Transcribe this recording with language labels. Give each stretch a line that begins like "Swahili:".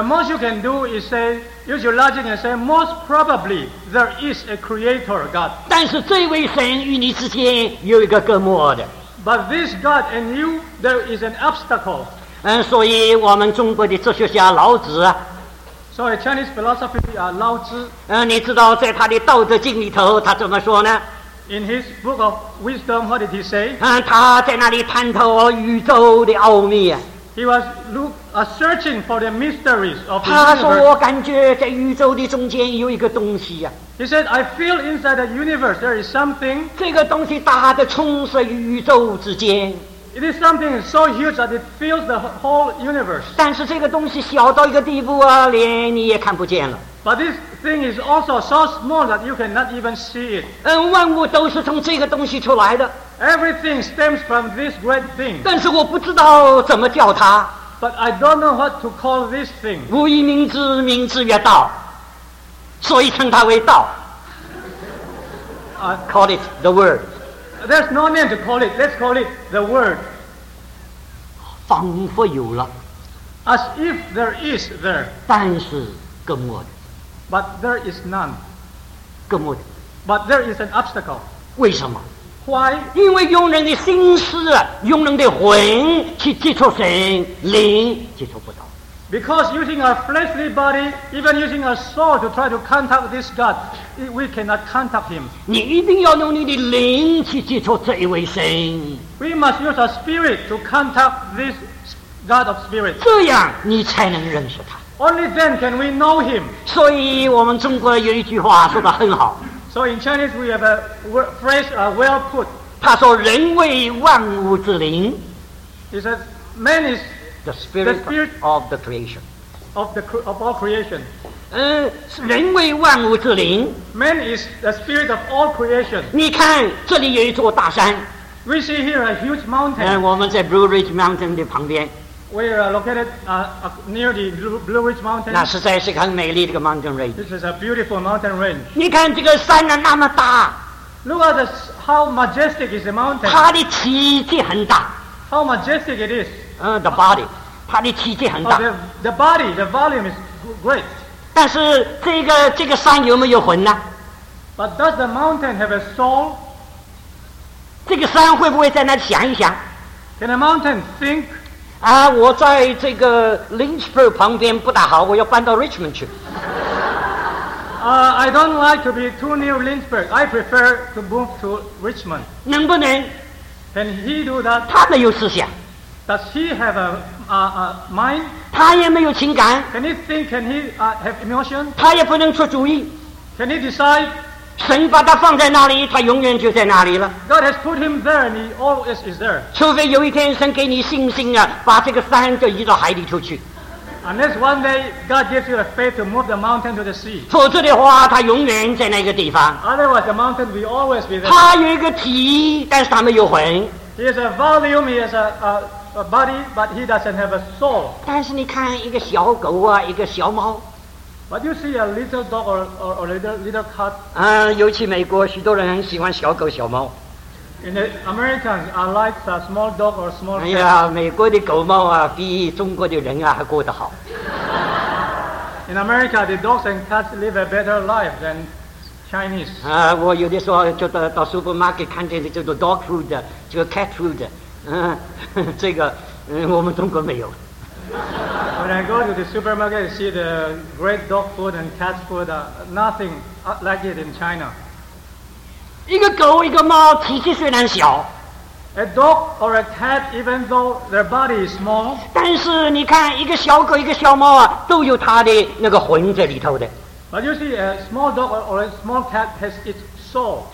English: The most you can do is say, use your logic and say, most probably there is a creator God.
Chinese: 但是这位神与你之间有一个隔膜的。
English: But this God and you, there is an obstacle.
Chinese: 所以我们中国的哲学家老子
English: So a Chinese philosopher, Lao Zi.
Chinese: 你知道在他的道德经里头他怎么说呢？
English: In his book of wisdom, what did he say?
Chinese: 他在那里探讨宇宙的奥秘。
English: He was searching for the mysteries of the universe.
Chinese: 他说我感觉在宇宙的中间有一个东西啊。
English: He said, I feel inside the universe there is something.
Chinese: 这个东西大的充斥于宇宙之间。
English: It is something so huge that it fills the whole universe.
Chinese: 但是这个东西小到一个地步啊，连你也看不见了。
English: But this thing is also so small that you cannot even see it.
Chinese: 万物都是从这个东西出来的。
English: Everything stems from this great thing.
Chinese: 但是我不知道怎么叫它。
English: But I don't know what to call this thing.
Chinese: 无以名之，名之曰道。所以称它为道。
English: Call it the word. There's no name to call it. Let's call it the word.
Chinese: 仿佛有了。
English: As if there is there.
Chinese: 但是跟我的。
English: But there is none.
Chinese: 根本。
English: But there is an obstacle.
Chinese: 为什么？
English: Why?
Chinese: 因为用人的心思，用人的魂去接触神，灵接触不到。
English: Because using our fleshly body, even using our soul to try to contact this God, we cannot contact him.
Chinese: 你一定要用你的灵去接触这一位神。
English: We must use our spirit to contact this God of spirit.
Chinese: 这样你才能认识他。
English: Only then can we know him.
Chinese: 所以我们中国有一句话说得很好。
English: So in Chinese we have a phrase, well put.
Chinese: 他说人为万物之灵。
English: He says, man is the spirit, the spirit of the creation. Of all creation.
Chinese: 人为万物之灵。
English: Man is the spirit of all creation.
Chinese: 你看这里有一座大山。
English: We see here a huge mountain.
Chinese: 我们在 Blue Ridge Mountain 的旁边。
English: We are located near the Blue Ridge Mountain.
Chinese: 那实在是很美丽的一个 mountain range.
English: This is a beautiful mountain range.
Chinese: 你看这个山呢那么大。
English: Look at this, how majestic is the mountain.
Chinese: 它的体积很大。
English: How majestic it is. The body.
Chinese: 它的体积很大。
English: The body, the volume is great.
Chinese: 但是这个山有没有魂呢？
English: But does the mountain have a soul?
Chinese: 这个山会不会在那里想一想？
English: Can a mountain think?
Chinese: 我在这个 Lynchburg 旁边不大好，我要搬到 Richmond 去。
English: I don't like to be too near Lynchburg. I prefer to move to Richmond.
Chinese: 能不能
English: ？Can he do that?
Chinese: 他没有思想。
English: Does he have a mind?
Chinese: 他也没有情感。
English: Can he think? Can he have emotion?
Chinese: 他也不能出主意。
English: Can he decide?
Chinese: 神把他放在那里，他永远就在那里了。
English: God has put him there, and he always is there.
Chinese: 除非有一天神给你信心啊，把这个山就移到海里出去。
English: Unless one day God gives you a faith to move the mountain to the sea.
Chinese: 否则的话，他永远在那个地方。
English: Otherwise, the mountain will always be there.
Chinese: 他有一个体，但是他没有魂。
English: He has a volume, he has a body, but he doesn't have a soul.
Chinese: 但是你看一个小狗啊，一个小猫。
English: But you see a little dog or little cat.
Chinese: 尤其美国许多人很喜欢小狗小猫。
English: In the Americans, I like a small dog or small cat.
Chinese: 哎呀，美国的狗猫啊，比中国的人啊还过得好。
English: In America, the dogs and cats live a better life than Chinese.
Chinese: 我有的时候就到 supermarket 看见的叫做 dog food， 这个 cat food， 这个我们中国没有。
English: When I go to the supermarket and see the great dog food and cat food, nothing like it in China.
Chinese: 一个狗一个猫体积虽然小，
English: a dog or a cat even though their body is small，
Chinese: 但是你看一个小狗一个小猫啊，都有它的那个魂在里头的。
English: But you see a small dog or a small cat has its soul。